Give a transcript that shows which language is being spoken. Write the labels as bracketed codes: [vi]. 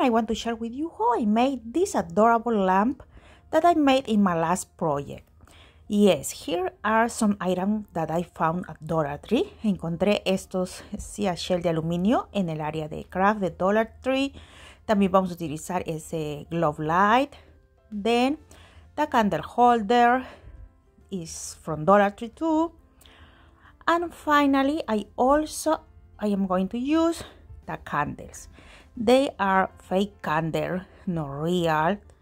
[en] I want to share with you how I made this adorable lamp that I made in my last project. Yes, here are some items that I found at Dollar Tree. [es] Encontré estos sea shell de aluminio en el área de craft de Dollar Tree. También vamos a utilizar ese glove light. [en] Then, the candle holder is from Dollar Tree too. And finally, I am going to use the candles. They are fake candles, not real.